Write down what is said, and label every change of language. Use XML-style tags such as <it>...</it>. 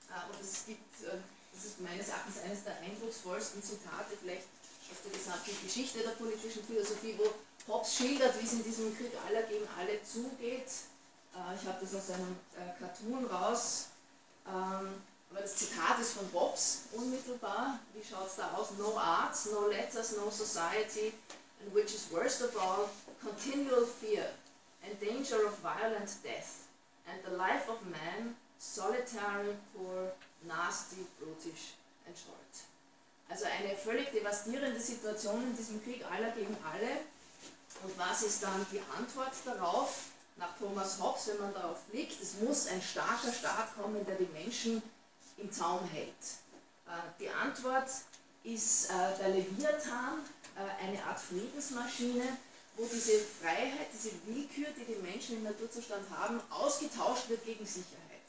<de>Und das ist meines Erachtens eines der eindrucksvollsten Zitate vielleicht aus der gesamten Geschichte der politischen Philosophie, wo Hobbes schildert, wie es in diesem Krieg aller gegen alle zugeht. Ich habe das aus einem Cartoon raus. Aber das Zitat ist von Hobbes unmittelbar. Wie schaut es da aus?</de> <en>No arts, no letters, no society, and which is worst of all, continual fear and danger of violent death and the life of man, solitary, poor, nasty, brutish and short.</en> <de>Also eine völlig devastierende Situation in diesem Krieg aller gegen alle. Und was ist dann die Antwort darauf? Nach Thomas Hobbes, wenn man darauf blickt, es muss ein starker Staat kommen, der die Menschen im Zaum hält. Die Antwort ist der Leviathan, eine Art Friedensmaschine, wo diese Freiheit, diese Willkür, die die Menschen im Naturzustand haben, ausgetauscht wird gegen Sicherheit.</de>